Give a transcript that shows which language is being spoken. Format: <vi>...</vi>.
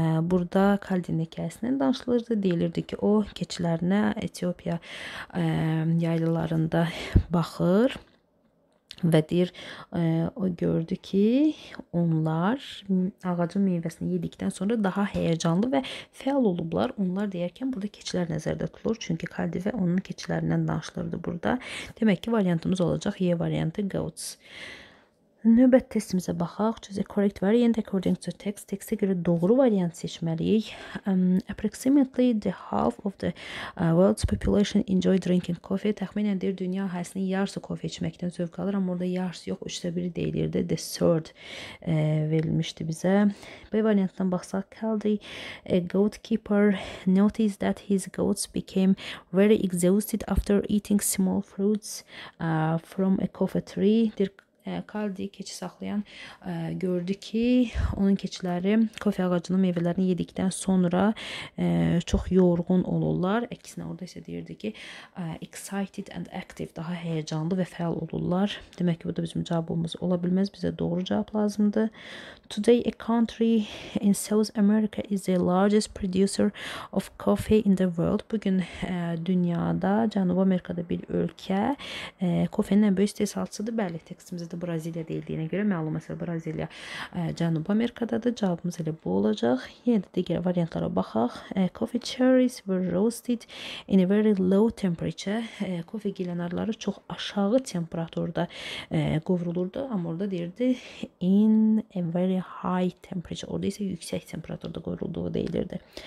<az>Burada Kaldin hekayəsindən danışılırdı. Deyilirdi ki, o keçilərinə Etiyopiya yaylılarında baxır və deyir, o gördü ki, onlar ağacın meyvəsini yedikdən sonra daha həyəcanlı və fəal olublar. Onlar deyərkən burada keçilər nəzərdə tutulur. Çünki Kaldive onun keçilərindən danışılırdı burada. Demək ki, variantımız olacaq Y variantı goats. Növbət testimizə baxaq.</az> <en>Choose a correct variant according to text.</en> <az>Textə görə doğru variant seçməliyik.</az> <en>Approximately the half of the world's population enjoy drinking coffee.</en> <az>Təxminən deyir, dünya əhalisinin yarısı kofe içməkdən zövq alır. Amma orada yarısı yox, üçdə biri deyilirdi.</az> <en>The third</en> <az>verilmişdi bizə. B variantdan baxsaq.</az> <en>Kaldi, a goat keeper, noticed that his goats became very exhausted after eating small fruits from a coffee tree.</en> <az>Deyir, Kaldi keçi saxlayan gördü ki, onun keçiləri kofe ağacının meyvələrini yedikdən sonra çox yorğun olurlar. Əksinə orada isə deyirdi ki,</az> <en>excited and active,</en> <az>daha həyəcanlı və fəal olurlar. Demək ki, bu da bizim cavabımız ola bilməz. Bizə doğru cavab lazımdır.</az> <en>Today a country in South America is the largest producer of coffee in the world.</en> <az>Bugün dünyada, Cənubi Amerikada bir ölkə kofenin ən böyük istehsalçısıdır. Bəli, tekstimiz də Braziliya deyildiyinə görə məlum məsələ Braziliya Cənubi Amerikadadır. Cavabımız elə bu olacaq. Yenə də digər variantlara baxaq.</az> <en>Coffee cherries were roasted in a very low temperature.</en> <az>Kofe gilənarları çox aşağı temperaturda qovrulurdu. Amma orada deyirdi</az> <en>in a very high temperature.</en> <az>Orada isə yüksək temperaturda qovrulduğu deyilirdi.</az>